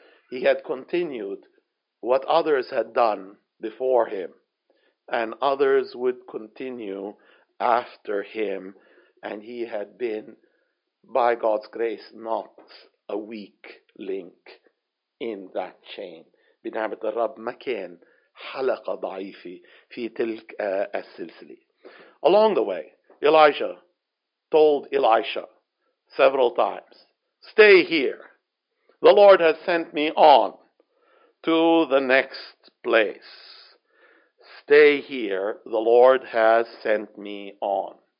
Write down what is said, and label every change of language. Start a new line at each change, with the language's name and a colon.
English: He had continued what others had done before him, and others would continue after him, and he had been, by God's grace, not a weak link in that chain.
Arabic: بنعمة الرب ما كان حلقة ضعيفة في تلك السلسلة.
English: Along the way, Elijah told Elisha several times, "Stay here. The Lord has sent me on to the next place. Stay here, the Lord has sent me on."